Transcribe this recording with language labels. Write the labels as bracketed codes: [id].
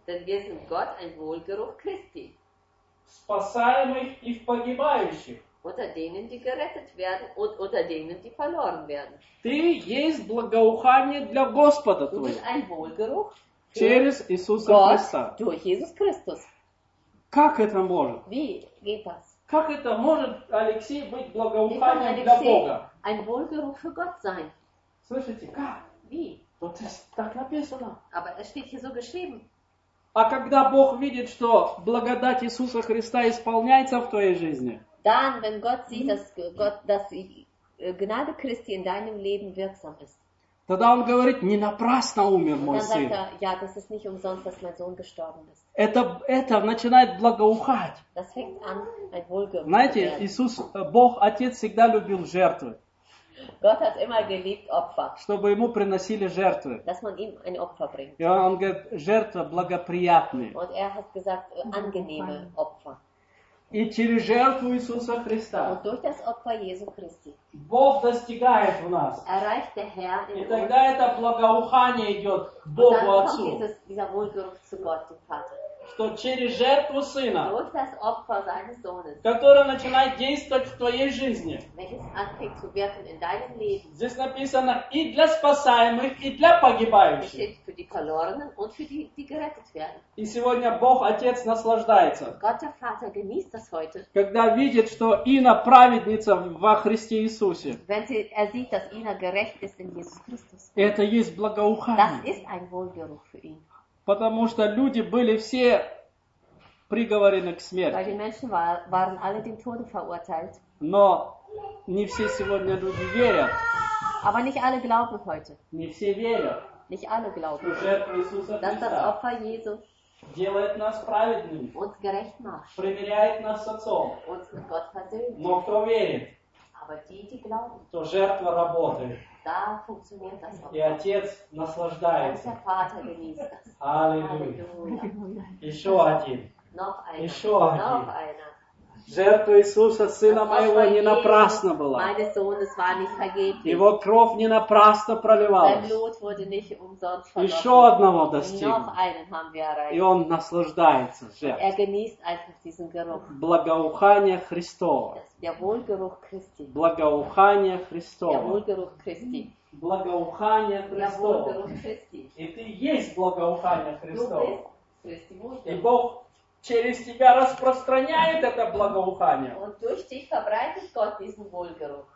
[de] Denn wir sind Gott ein Wohlgeruch Christi. [ru] Спасаемых и в погибающих. [de] Unter denen, die gerettet werden, und unter denen, die verloren werden. [ru] Ты есть благоухание для Господа твоего. [de] Du bist ein Wohlgeruch [ru] через Иисуса Христа. [de] Durch Jesus Christus. [ru] Как это может? [de] Wie geht das? [ru] Как это может, Алексей, быть благоуханием для Бога? [de] Ein Wohlgeruch für Gott sein. [ru] Слышите, как? [de] Wie? [ru] Вот так написано. [de] Aber es steht hier so geschrieben. [ru] А когда Бог видит, что благодать Иисуса Христа исполняется в твоей жизни? [de] Dann, wenn Gott sieht, dass Gnade Christi in deinem Leben wirksam ist. [ru] Тогда он говорит, не напрасно умер мой сын. [de] Ja, das ist nicht umsonst, dass mein Sohn gestorben ist. [ru] Это начинает благоухать. [de] Das fängt an, ein Wohlgeruch. [ru] Знаете, Иисус, Бог, Отец всегда любил жертвы. [de] Gott hat immer geliebt Opfer. [ru] Чтобы ему приносили жертвы. [de] Dass man ihm ein Opfer bringt. [ru] И он говорит, жертва благоприятная. [de] Und er hat gesagt, angenehme Opfer. [ru] И через жертву Иисуса Христа. [de] Und durch das Opfer Jesu Christi. [ru] Бог достигает в нас. [de] Erreicht der Herr in [ru] И тогда [de] uns. [ru] Это благоухание идет Богу Отцу. [de] Dieser Wohlgeruch zu Gott, dem Vater. [ru] Что через жертву Сына. [de] Durch das Opfer seines Sohnes. [ru] Которое начинает действовать в твоей жизни. [de] Welches anfängt zu wirken in deinem Leben. [ru] Здесь написано и для спасаемых, и для погибающих. [de] Steht für die Verlorenen und für die, die gerettet werden. [ru] И сегодня Бог Отец наслаждается. [de] Gott der Vater genießt das heute. [ru] Когда видит, что Ина праведница во Христе Иисусе. [de] Wenn er sieht, dass Ина gerecht ist in Jesus Christus. [ru] Это есть благоухание. [de] Das ist ein Wohlgeruch für ihn. [ru] Потому что люди были все приговорены к смерти. [de] Weil die Menschen waren alle dem Tode verurteilt. [ru] Но не все сегодня люди верят. [de] Aber nicht alle glauben heute. [ru] Не все верят. [de] Nicht alle glauben. [ru] Что жертва Иисуса Христа. [de] Dass das Opfer Jesu. [ru] Делает нас праведными. [de] Uns gerecht macht. [ru] Примиряет нас с Отцом. [de] Uns mit Gott versöhnt. [ru] Но кто верит? [de] Aber die, die glauben. [ru] То жертва работает. [de] Da funktioniert das auch. [ru] И отец наслаждается. Аллилуйя. Еще один. Еще один. Жертва Иисуса, Сына моего, не напрасно была. Его кровь не напрасно проливалась. Еще одного достиг. И он наслаждается жертвой. Благоухание Христово. Благоухание Христово. Благоухание Христово. И ты есть благоухание Христово. И Бог через тебя распространяет это благоухание. [de] Und durch dich verbreitet Gott diesen Wohlgeruch.